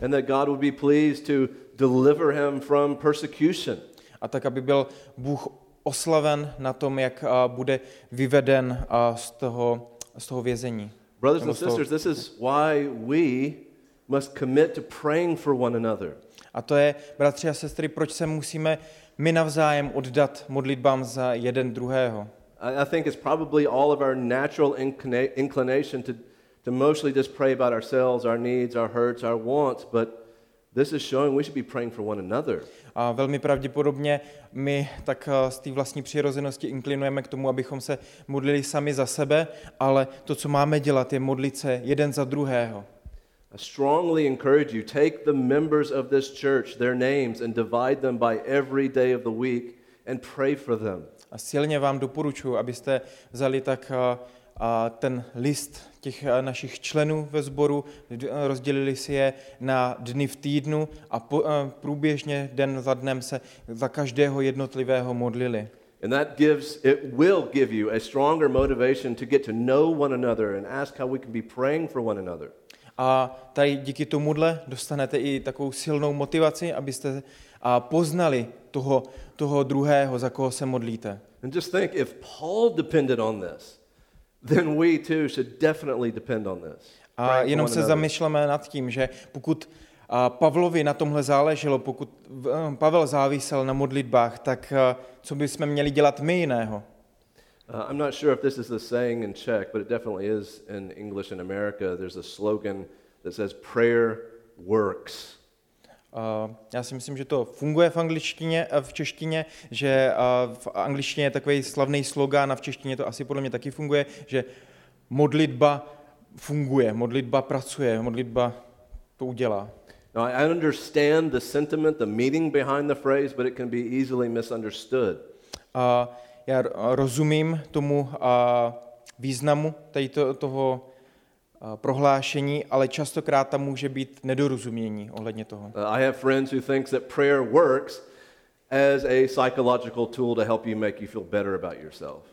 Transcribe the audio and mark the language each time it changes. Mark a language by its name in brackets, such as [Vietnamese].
[English] And that God would be pleased to deliver him from persecution. [Czech] A tak aby byl Bůh oslaven na tom, jak bude vyveden z toho vězení. [English] Brothers and sisters, this is why we must commit to praying for one another. [Czech] A to je, bratři a sestry, proč se musíme my navzájem oddat modlitbám za jeden druhého. [English] I think it's probably all of our natural inclination to mostly just pray about ourselves, our needs, our hurts, our wants, but this is showing we should be praying for one another. [Czech] A velmi pravděpodobně my tak z té vlastní přirozenosti inklinujeme k tomu, abychom se modlili sami za sebe, ale to, co máme dělat, je modlit se jeden za druhého. [English] I strongly encourage you, take the members of this church, their names, and divide them by every day of the week and pray for them. [Czech] A silně vám doporučuji, abyste vzali tak ten list těch našich členů ve sboru, rozdělili si je na dny v týdnu a průběžně den za dnem se za každého jednotlivého modlili. [English] And that gives, it will give you a stronger motivation to get to know one another and ask how we can be praying for one another. [Czech] A tady díky tomuhle dostanete i takovou silnou motivaci, abyste poznali toho druhého, za koho se modlíte. [English] And just think, if Paul depended on this, then we too should definitely depend on this. [Czech] A jenom se zamýšleme nad tím, že pokud Pavlovi na tomhle záleželo, pokud Pavel závisel na modlitbách, tak co bychom měli dělat my jiného? [English] I'm not sure if this is the saying in Czech, but it definitely is in English in America. There's a slogan that says prayer works. [Czech] Já si myslím, že to funguje v angličtině a v češtině, že v angličtině je takový slavný slogan a v češtině to asi podle mě taky funguje, že modlitba funguje, modlitba pracuje, modlitba to udělá. [English] Now, I understand the sentiment, the meaning behind the phrase, but it can be easily misunderstood. [Czech] Já rozumím tomu významu toho prohlášení, ale častokrát tam může být nedorozumění ohledně toho. [English] I have friends who think that prayer works as a psychological tool to help you make you feel better about yourself.